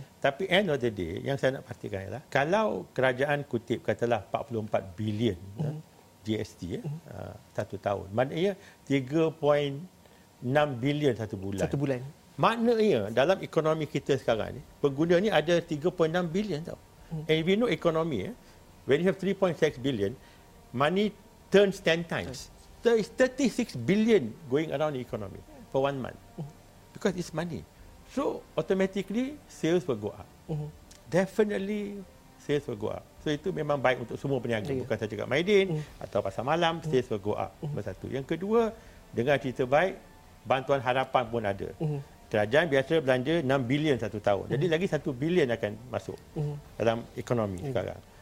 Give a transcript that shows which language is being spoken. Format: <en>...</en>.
<ms>Tapi</ms> <en>end of the day</en> <ms>yang saya nak pastikan ialah kalau kerajaan kutip katalah 44 bilion GST satu tahun. Maknanya 3.6 bilion satu bulan. Satu bulan. Maknanya dalam ekonomi kita sekarang ni pengguna ni ada 3.6 bilion tau.</ms> <en>And if you know economy when you have 3.6 bilion money turns 10 times. There is 36 billion going around the economy for one month. Because it's money. So, automatically, sales will go up. Definitely, sales will go up.</en> <ms>So, itu memang baik untuk semua peniaga. Yeah. Bukan sahaja kat Maidin atau pasar malam,</ms> <en>sales will go up.</en> <ms>Satu. Yang kedua, dengan cerita baik, bantuan harapan pun ada. Kerajaan biasa belanja 6 billion satu tahun. Jadi, lagi 1 billion akan masuk dalam ekonomi sekarang.</ms>